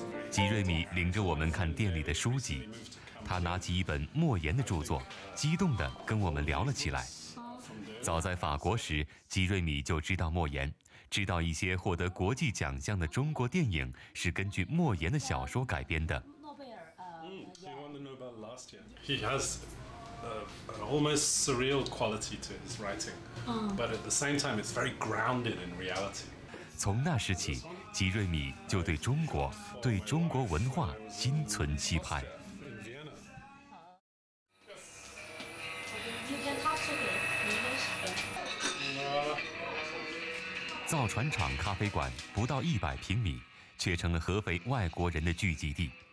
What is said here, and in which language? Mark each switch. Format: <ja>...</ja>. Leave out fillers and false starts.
<zh>吉瑞米领着我们看店里的书籍，他拿起一本莫言的著作，激动地跟我们聊了起来。早在法国时，吉瑞米就知道莫言，知道一些获得国际奖项的中国电影是根据莫言的小说改编的。</zh> <en>He won the Nobel last year. He has an almost surreal quality to his writing, but at the same time, it's very grounded in reality.</en> <zh>从那时起，吉瑞米就对中国、对中国文化心存期盼。造船厂咖啡馆不到100平米，却成了合肥外国人的聚集地。</zh>